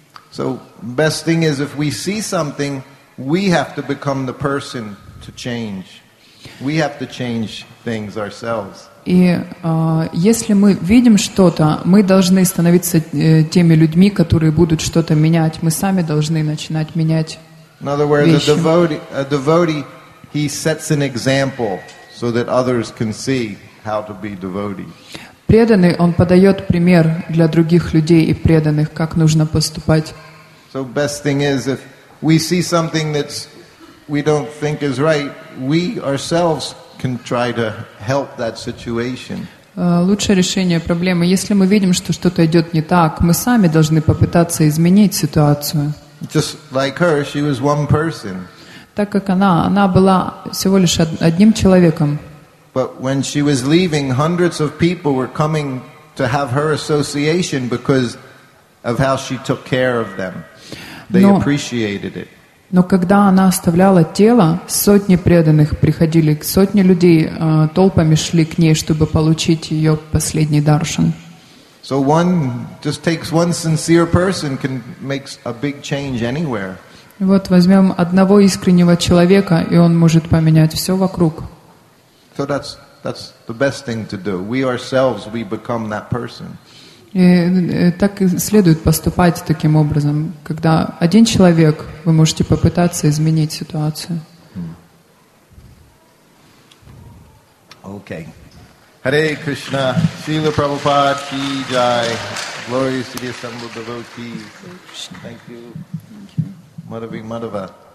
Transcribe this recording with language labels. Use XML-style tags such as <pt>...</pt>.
<en>So, best thing is, if we see something, we have to become the person to change. We have to change things ourselves.</en> <ru>И если мы видим что-то, мы должны становиться теми людьми, которые будут что-то менять. Мы сами должны начинать менять вещи.</ru> <en>In other words, a devotee, he sets an example so that others can see how to be devotee.</en> <ru>Преданный, он подает пример для других людей и преданных, как нужно поступать.</ru> <en>So best thing is, if we see something that we don't think is right, we ourselves can try to help that situation.</en> <ru>Лучшее решение проблемы, если мы видим, что что-то идет не так, мы сами должны попытаться изменить ситуацию.</ru> <en>Just like her, she was one person.</en> <ru>Так как она была всего лишь одним человеком.</ru> <en>But when she was leaving, hundreds of people were coming to have her association because of how she took care of them. They appreciated it.</en> <ru>Но когда она оставляла тело, сотни преданных приходили, сотни людей толпами шли к ней, чтобы получить ее последний даршан.</ru> <en>So one just takes one sincere person can make a big change anywhere.</en> <ru>Вот возьмем одного искреннего человека, и он может поменять все вокруг.</ru> <en>So that's the best thing to do. We ourselves, we become that person.</en> <ru>И так и следует поступать таким образом, когда один человек, вы можете попытаться изменить ситуацию.</ru> <en>Okay. Hare Krishna, Srila Prabhupada, Ki Jai, glorious to the assembled devotees. Thank you. Madhavi Madhava.</en>